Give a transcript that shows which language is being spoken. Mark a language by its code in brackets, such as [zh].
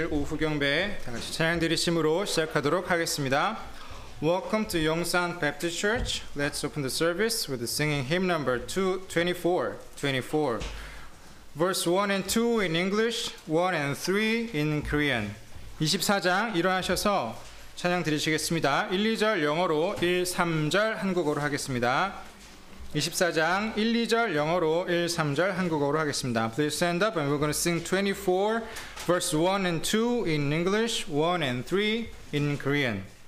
[ko] 오후 경배 다 같이 찬양 드리심으로 시작하도록 하겠습니다. [en] Welcome to Yongsan Baptist Church. Let's open the service with the singing hymn number 224. Verse 1 and 2 in English, 1 and 3 in Korean. [ko] 24장 일어나셔서 찬양 드리시겠습니다. 1, 2절 영어로 1, 3절 한국어로 하겠습니다. 24장 1, 2절 영어로 1, 3절 한국어로 하겠습니다. [en] Please stand up and we're going to sing 24 verse 1 and 2 in English, 1 and 3 in Korean.